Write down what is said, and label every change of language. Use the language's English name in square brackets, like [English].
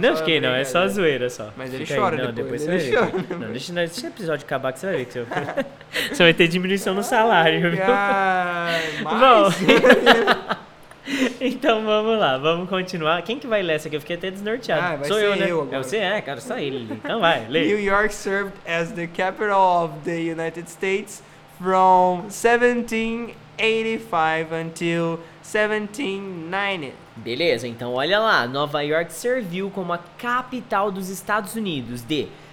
[Portuguese] Não fiquei, não. É só zoeira, só. Mas ele chora depois. Não, depois ele você chora. Não, deixa o episódio acabar que você vai ver. Você vai ter diminuição no salário, viu? Bom... Então vamos continuar. Quem que vai ler essa aqui? Eu fiquei até desnorteado. Sou eu, né? Agora. É você, cara, só ele. Então vai, lê. [English] New York served as the capital of the United States from 1785 until 1790. [Portuguese] Beleza, então olha lá. Nova York serviu como a capital dos Estados Unidos de